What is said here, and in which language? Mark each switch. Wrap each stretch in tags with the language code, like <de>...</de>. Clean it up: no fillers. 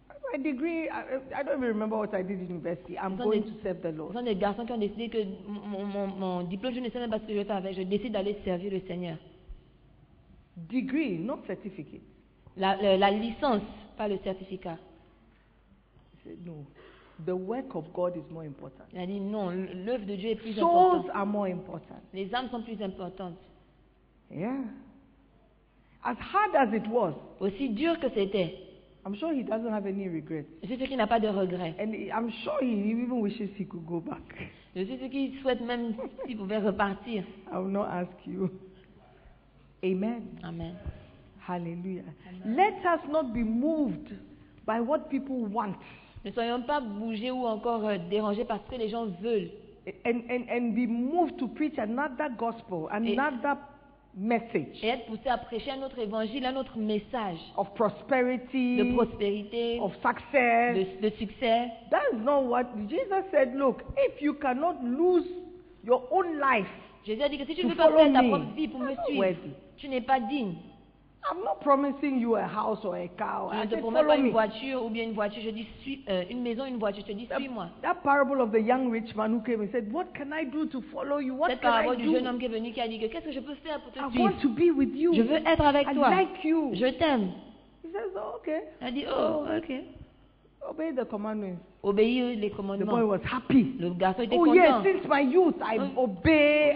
<en>My degree, I don't even remember what I did in university. I'm going to serve the Lord.</en> <fr>Ce sont des garçons qui ont décidé que mon diplôme, je ne sais même pas ce que je fais avec, je décide d'aller servir le Seigneur.</fr> <en>Degree, not certificate.</en> <fr>La licence, pas le certificat.</fr> <en>He said, no, the work of God is more important.</en> <fr>Il a dit non, l'œuvre de Dieu est plus importante.</fr> <en>Souls are more important.</en> <fr>Les âmes sont plus importantes.</fr> <en>Yeah. As hard as it was.</en> <fr>Aussi dur que c'était.</fr> <en>I'm sure he doesn't have any regrets.</en> <fr>Je suis sûr qu'il n'a pas de regrets.</fr> <en>And I'm sure he even wishes he could go back.</en> <fr>Je suis sûr qu'il souhaite même s'il pouvait repartir.</fr> <en>I will not ask you. Amen. Amen. Hallelujah. Amen. Let us not be moved by what people want.</en> <fr>Ne soyons pas bougés ou encore dérangés par ce que les gens veulent.</fr> <en>And be moved to preach another gospel, another message.</en> <fr>Et être poussé à prêcher un autre évangile, un autre message.</fr> <en>Of prosperity.</en> <fr>De prospérité.</fr> <en>Of success.</en> <fr>De succès.</fr> <en>That is not what Jesus said. Look, if you cannot lose your own life,</en> <fr>Jésus a dit que si tu ne veux pas perdre ta propre vie pour me suivre, tu n'es pas digne.</fr> <en>I'm not promising you a house or a car.</en> <fr>Je ne te promets pas une voiture ou bien une voiture. Je dis une maison, une voiture. Je te dis suis-moi.</fr> <en>That parable of the young rich man who came and said, "What can I do to follow you? What can I do?"</en> <fr>Cette parabole du jeune homme qui est venu qui a dit que qu'est-ce que je peux faire pour te suivre?</fr> <en>I want to be with you.</en> <fr>Je veux être avec toi.</fr> <en>I like you.</en> <fr>Je t'aime.</fr> <en>He says, "Oh, okay."</en> <fr>Elle dit, "Oh, okay."</fr> <en>Obey the commandments.</en> <fr>Obéir les commandements.</fr> <en>The boy was happy.</en> <fr>Le garçon était oh, content.</fr> <en>Oh yes, since my youth, I obey.</en>